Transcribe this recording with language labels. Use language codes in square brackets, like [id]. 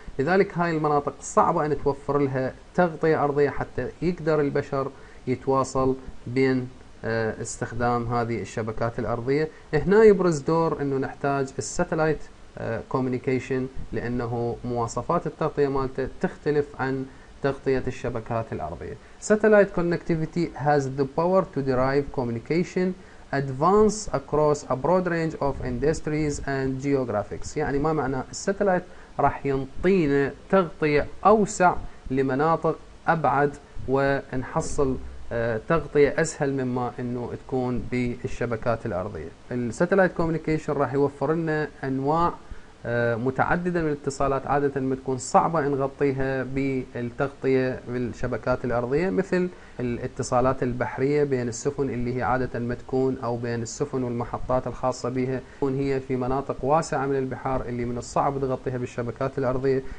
[ar] لذلك هاي المناطق صعبة أن توفر لها تغطية أرضية حتى يقدر البشر يتواصل بين استخدام هذه الشبكات الأرضية. هنا يبرز دور أنه نحتاج الساتلايت كوميونيكيشن لأنه مواصفات التغطية مالته تختلف عن تغطية الشبكات الأرضية. [en] Satellite connectivity has the power to derive communication advance across a broad range of industries and geographics. [ar] يعني ما معنى الساتلايت راح ينطينا تغطية أوسع لمناطق أبعد ونحصل تغطية أسهل مما أنه تكون بالشبكات الأرضية. الساتلايت كوميونيكيشن راح يوفر لنا أنواع متعددة من الاتصالات عادة ما تكون صعبة نغطيها بالتغطية بالشبكات الأرضية, مثل الاتصالات البحرية بين السفن اللي هي عادة ما تكون, أو بين السفن والمحطات الخاصة بها تكون هي في مناطق واسعة من البحار اللي من الصعب تغطيها بالشبكات الأرضية.